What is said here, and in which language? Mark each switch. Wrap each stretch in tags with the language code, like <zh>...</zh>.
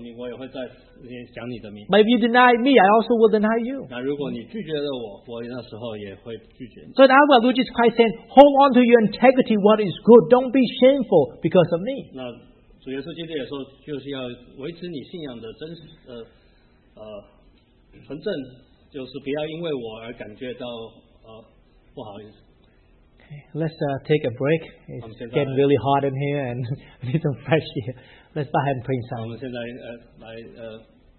<en>but if you deny me, I also will deny you.</en> <zh>那如果你拒绝了我,</zh> <en>so now what Lord Jesus Christ saying, hold on to your integrity, what is good. Don't be shameful because of me.</en> <zh>那主耶稣基督也说就是要维持你信仰的真纯正就是不要因为我而感觉到不好意思。</zh> <en>Let's take a break. It's getting really hot in here and need some fresh air. Let's go ahead and pray some.</en>